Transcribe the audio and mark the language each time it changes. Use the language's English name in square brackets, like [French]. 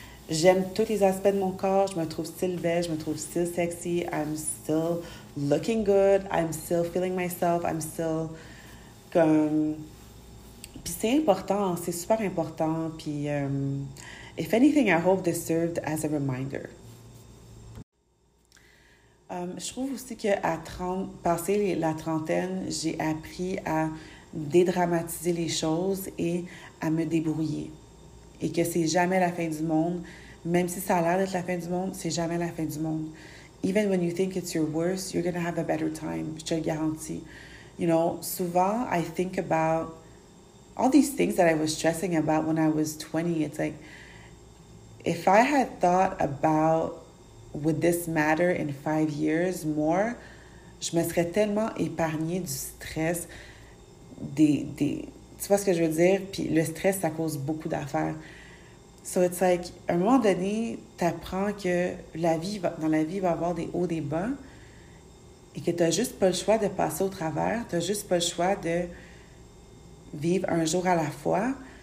[French] J'aime tous les aspects de mon corps. Je me trouve still belle. Je me trouve still sexy. [English] I'm still looking good. I'm still feeling myself. I'm still [French] comme... Puis c'est important. C'est super important. [English] Puis if anything, I hope this served as a reminder. [French] Je trouve aussi que passer la trentaine, j'ai appris à dédramatiser les choses et à me débrouiller. Et que c'est jamais la fin du monde. Même si ça a l'air d'être la fin du monde, c'est jamais la fin du monde. [English] Even when you think it's your worst, you're going to have a better time. [French] Je te le garantis. [English] You know, souvent, I think about all these things that I was stressing about when I was 20. It's like, if I had thought about would this matter in 5 years more? [French] Je me serais tellement épargnée du stress, tu vois ce que je veux dire? Puis le stress, ça cause beaucoup d'affaires. [English] So it's like, [French] à un moment donné, t'apprends que dans la vie, il va y avoir des hauts, des bas, et que t'as juste pas le choix de passer au travers, t'as juste pas le choix de vivre un jour à la fois.